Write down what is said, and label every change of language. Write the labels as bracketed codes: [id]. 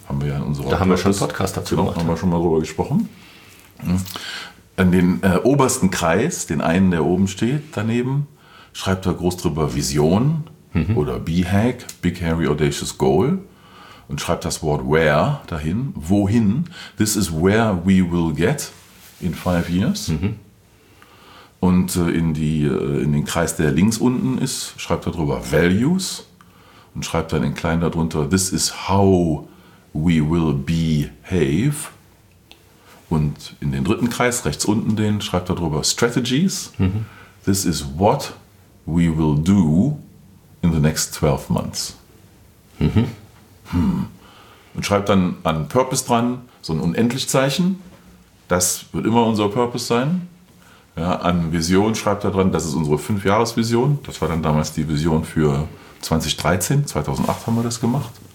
[de] Haben wir ja in unserer Da Purpose, haben wir schon einen Podcast dazu gemacht. Haben wir schon mal drüber gesprochen. An den obersten Kreis, den einen, der oben steht daneben, schreibt er groß drüber Vision oder BHAG, Big Hairy Audacious Goal. Und schreibt das Wort where dahin, wohin. [en] This is where we will get in 5 years. Mhm. [de] Und in den Kreis, der links unten ist, schreibt er drüber values. Und schreibt dann in klein darunter, [en] this is how we will behave. [de] Und in den dritten Kreis, rechts unten den, schreibt er drüber strategies. Mhm. [en] This is what we will do in the next 12 months. Mhm. [de] Und schreibt dann an Purpose dran, so ein Unendlichzeichen. Das wird immer unser Purpose sein. Ja, an Vision schreibt er dran, das ist unsere 5-Jahres-Vision. Das war dann damals die Vision für 2013. 2008 haben wir das gemacht.